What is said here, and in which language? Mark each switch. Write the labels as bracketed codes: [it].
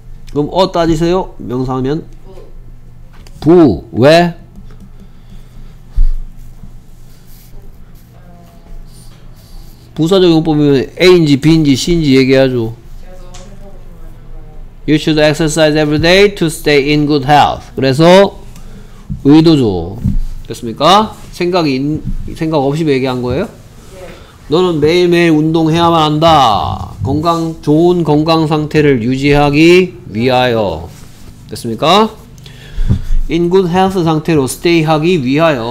[ko] 그럼 따지세요? 명사하면? 부. 왜? 부사적용법이면 A인지 B인지 C인지 얘기하죠. [en] You should exercise every day to stay in good health. [ko] 그래서 의도죠. 됐습니까? 생각 없이 얘기한 거예요? 너는 매일매일 운동해야만 한다. 좋은 건강 상태를 유지하기 위하여. 됐습니까? [en] In good health [ko] 상태로 stay 하기 위하여.